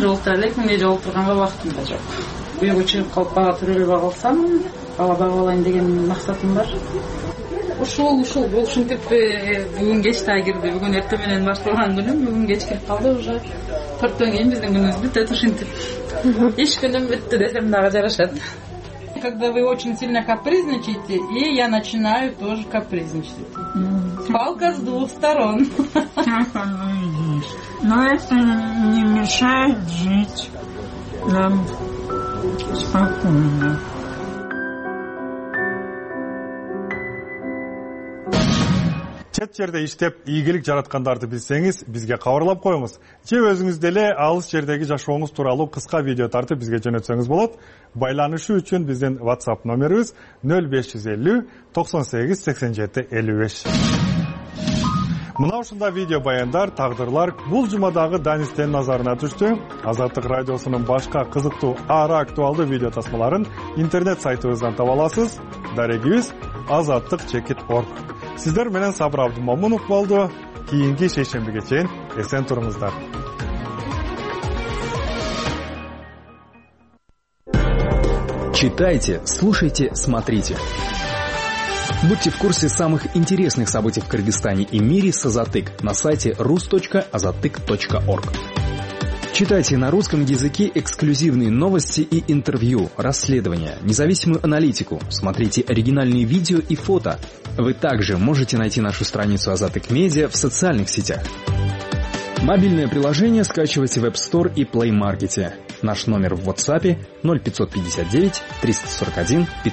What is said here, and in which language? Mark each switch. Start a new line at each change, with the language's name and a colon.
Kyrgyz: Жолуктура элек, мен жолуктурганга убактым да жок. Үйгө чыгып калып, бага төрөлүп калсам, бала багып алайын деген максатым бар. Ушул болушунтип бүгүн кеч да кирди. Бүгүн эртең менен башталган күнүм, бүгүн кеч кирип калды уже. Төрттөн кийин биздин күнүбүз бүтөт ушинтип. Иш күнүм бүттү десем дагы жарашат.
Russian: Когда вы очень сильно капризничаете, и я начинаю тоже капризничать. Палка с двух сторон. Так оно и есть. Но это не мешает жить нам спокойно.
Kyrgyz: Чет жерде иштеп ийгилик жараткандарды билсеңиз, бизге кабарлап коюңуз. Же өзүңүз деле алыс жердеги жашооңуз тууралуу кыска видео тартып бизге жөнөтсөңүз болот. Байланышуу үчүн биздин WhatsApp номерибиз 0550 98 87 55. Мына ушундай видео баяндар, тагдырлар бул жумадагы Данистен назарына түштү. Азаттык радиосунун башка кызыктуу ара актуалдуу видео тасмаларын интернет сайтыбыздан таба аласыз. Дарегибиз azattik.org. Сиздер менен Сабыр Абдымомунов болду. Кийинки шейшембиге чейин эсен туруңуздар.
Russian: Читайте, слушайте, смотрите. Будьте в курсе самых интересных событий в Кыргызстане и мире с Азатык на сайте rus.azatyk.org. Читайте на русском языке эксклюзивные новости и интервью, расследования, независимую аналитику. Смотрите оригинальные видео и фото. Вы также можете найти нашу страницу Азатык Медиа в социальных сетях. Мобильное приложение скачивайте в App Store и Play Market. Наш номер в WhatsApp 0559-341-555.